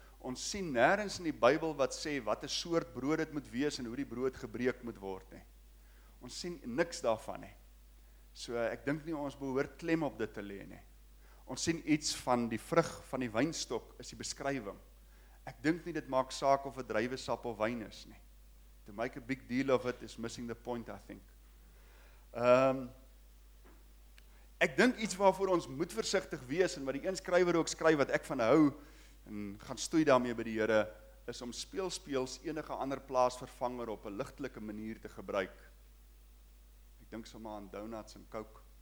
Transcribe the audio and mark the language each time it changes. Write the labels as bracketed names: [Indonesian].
[Afrikaans] Ons sien nêrens in die Bybel wat sê wat 'n soort brood dit moet wees en hoe die brood gebreek moet word nie. Ons sien niks daarvan nie. So ek dink nie ons behoort klem op dit te lê nie. Ons sien iets van die vrug van die wynstok is die beskrywing. Ek dink nie dit maak saak of 'n druiwesap of wyn is nie. [English] To make a big deal of it is missing the point, I think. [Afrikaans] Ek dink iets waarvoor ons moet versigtig wees en wat die een skrywer ook skryf wat ek van hou en gaan stoei daarmee by die Here is om speelspeels enige ander plaasvervanger op 'n ligtelike manier te gebruik. Ek dink sommer aan donuts en coke.